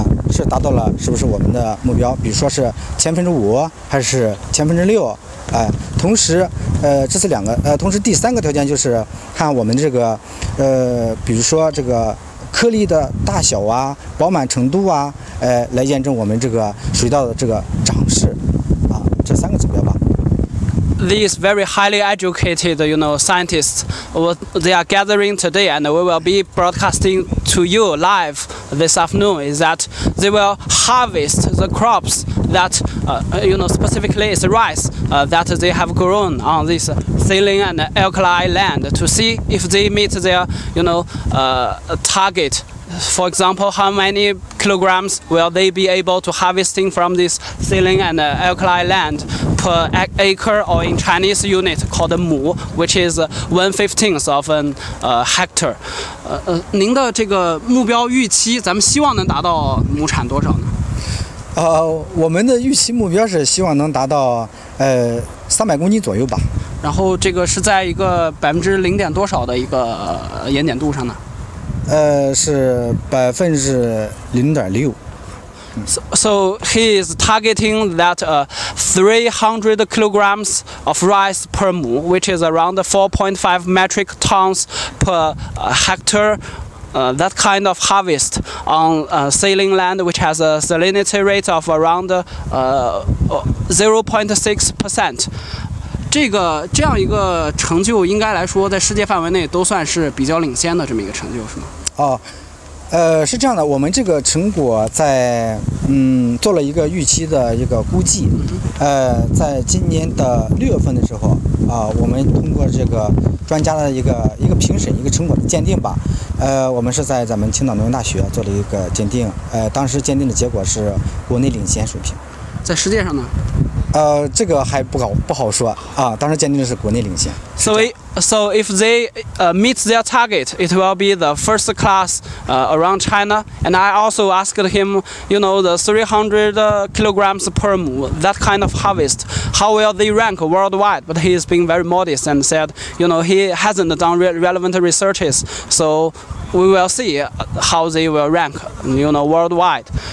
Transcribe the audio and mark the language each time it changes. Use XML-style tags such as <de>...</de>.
<zh>是达到了是不是我们的目标，比如说是5%还是6%，同时这是两个，同时第三个条件就是看我们这个比如说这个颗粒的大小啊，饱满程度啊，来验证我们这个水稻的这个长势，这三个指标吧。</zh> <en>these very highly educated, you know, scientists. They are gathering today and we will be broadcasting to you live this afternoon, is that they will harvest the crops that, you know, specifically is rice that they have grown on this saline and alkaline land to see if they meet their, you know, target. For example, how many kilograms will they be able to harvesting from this saline and alkaline land per acre, or in Chinese unit called mu, which is 1/15 of an hectare.</en> <zh>您的这个目标预期，咱们希望能达到亩产多少呢？我们的预期目标是希望能达到300公斤左右吧。然后这个是在一个0.多%的一个盐碱度上呢？是0.6%。</zh> <en>So he is targeting that 300 kilograms of rice per mu, which is around 4.5 metric tons per hectare. That kind of harvest on saline land, which has a salinity rate of around 0.6%.</en> <zh>这样一个成就应该来说在世界范围内都算是比较领先的这么一个成就，是吗？是这样的，我们这个成果在做了一个预期的一个估计，在今年的6月份的时候我们通过这个专家的一个评审，一个成果的鉴定吧，我们是在咱们青岛农业大学做了一个鉴定，当时鉴定的结果是国内领先水平。在世界上呢？这个还不好说啊，当时鉴定的是国内领先。</zh> <en>So if they meet their target, it will be the first class around China. And I also asked him, you know, the 300 kilograms per mu, that kind of harvest, how will they rank worldwide? But he has been very modest and said, you know, he hasn't done relevant researches. So we will see how they will rank, you know, worldwide.</en>